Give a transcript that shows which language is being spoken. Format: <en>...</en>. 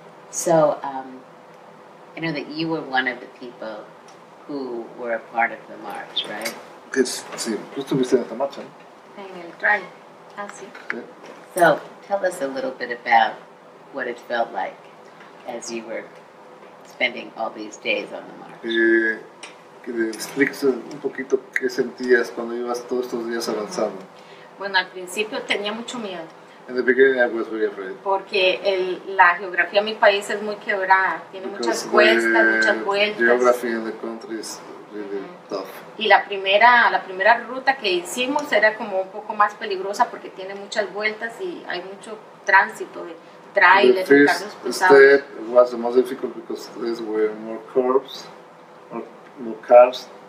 <en>So, I know that you were one of the people who were a part of the march, right?</en> <es>Yes, sí, tú estuviste en esta marcha. En el trail. Ah, sí.</es> <en>So, tell us a little bit about what it felt like as you were spending all these days on the march.</en> <es>Que me explique un poquito qué sentías cuando ibas todos estos días avanzando. Bueno, al principio tenía mucho miedo.</es> <en>In the beginning, I was very afraid.</en> <es>Porque la geografía de mi país es muy quebrada. Tiene muchas cuestas, muchas vueltas.</es> <en>Geography in the country is really tough.</en> <es>Y la primera ruta que hicimos era como un poco más peligrosa porque tiene muchas vueltas y hay mucho tránsito de trailers, carros pesados.</es> <en>The first step was the most difficult because there were more curves, more cars.</en>